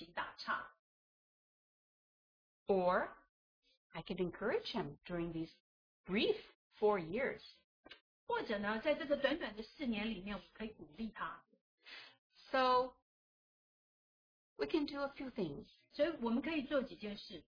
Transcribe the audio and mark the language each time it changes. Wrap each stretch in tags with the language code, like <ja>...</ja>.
<zh>我如果允许他在高中的时候被一些事情打岔。</zh> <en>Or, I can encourage him during these brief 4 years.</en> <zh>或者呢，在这个短短的4年里面，我可以鼓励他。</zh> <en>So, we can do a few things.</en> <zh>所以我们可以做几件事。</zh>